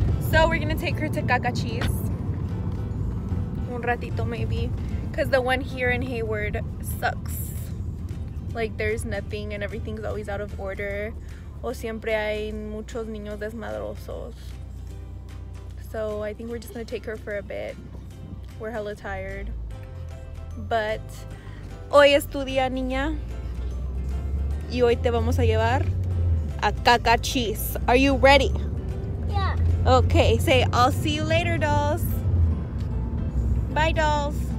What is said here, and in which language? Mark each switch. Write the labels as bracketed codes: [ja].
[en] So we're gonna take her to Caca Cheese. [es] Un ratito, [en] maybe. Cause the one here in Hayward sucks. Like there's nothing and everything's always out of order. [es] O siempre hay muchos niños desmadrosos. [en] So I think we're just gonna take her for a bit. We're hella tired. But [es] hoy es tu día, niña. Y hoy te vamos a llevar a Caca Cheese. [en] Are you ready? Yeah. Okay, say, I'll see you later, dolls. Bye, dolls.